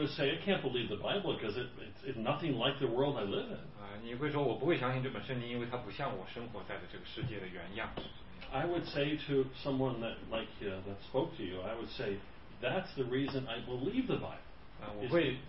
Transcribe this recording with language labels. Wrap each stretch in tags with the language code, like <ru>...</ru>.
<en>would say, I can't believe the Bible because it's nothing like the world I live in.</en> <zh>你会说我不会相信这本圣经，因为它不像我生活在的这个世界的原样。I</zh> <en>would say to someone that like that spoke to you, I would say that's the reason I believe the Bible.</en>